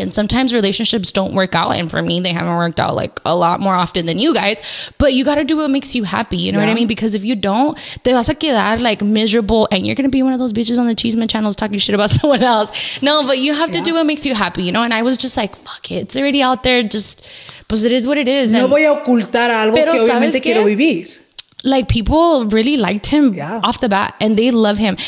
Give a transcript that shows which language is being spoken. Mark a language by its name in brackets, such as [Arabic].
[English] And sometimes relationships don't work out. And for me, they haven't worked out like a lot more often than you guys. But you got to do what makes you happy. You know what I mean? Because if you don't, they [Spanish] vas a quedar [English] like miserable, and you're gonna be one of those bitches on the Cheeseman channels talking shit about someone else. No, but you have to do what makes you happy, you know. And I was just like, fuck it, it's already out there, just pues it is what it is. [Spanish] No voy a ocultar algo que obviamente quiero vivir. [English] Like people really liked him off the bat, and they love him.